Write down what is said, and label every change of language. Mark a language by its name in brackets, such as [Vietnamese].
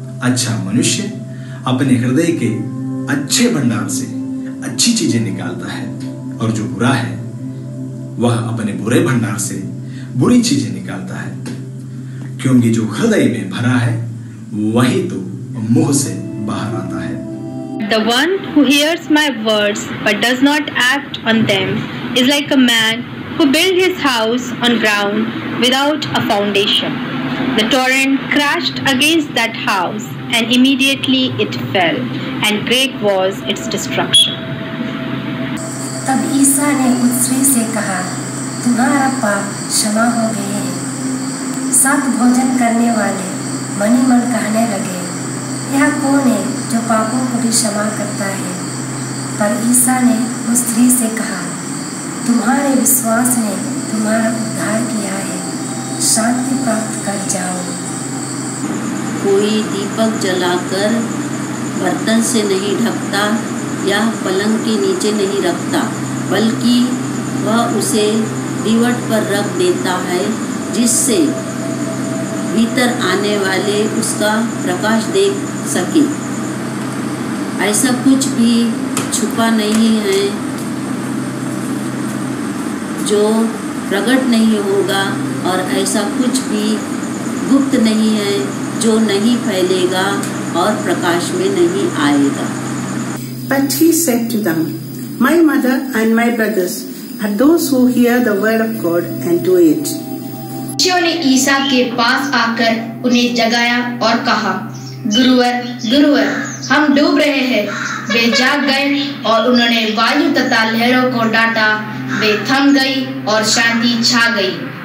[Hindi] अच्छा मनुष्य अपने हृदय के अच्छे भंडार से अच्छी चीजें निकालता है, और जो बुरा है वह अपने बुरे भंडार से बुरी चीजें निकालता है, क्योंकि जो हृदय में भरा है वही तो मुंह से बाहर आता है। [English] The one who hears my words but does not act on them is like a man who built his house on ground without a foundation. The torrent crashed against that house and immediately it fell, and great was its destruction. [Hindi] तब ईसा ने उससे से कहा, तुम्हारा पाप क्षमा हो गए हैं। सात भोजन करने वाले मनी मन कहने लगे, यह कौन है जो पापों को भी क्षमा करता है। पर ईसा ने उस स्त्री से कहा, तुम्हारे विश्वास ने तुम्हारा उद्धार किया है, शांति प्राप्त कर जाओ। कोई दीपक जलाकर बर्तन से नहीं ढकता या पलंग के नीचे नहीं रखता, बल्कि वह उसे दीवट पर रख देता है, जिससे भीतर आने वाले उसका प्रकाश देख सके। ऐसा कुछ भी छुपा नहीं है जो प्रकट नहीं होगा और ऐसा कुछ भी गुप्त नहीं है जो नहीं फैलेगा और प्रकाश में नहीं आएगा। [English] But he said to them, My mother and my brothers are those who hear the word of God and do it. [Hindi] शिष्यों ने ईसा के पास आकर उन्हें जगाया और कहा, गुरुवर गुरुवर हम डूब रहे हैं। वे जाग गए और उन्होंने वायु तथा लहरों को डांटा, वे थम गई और शांति छा गई।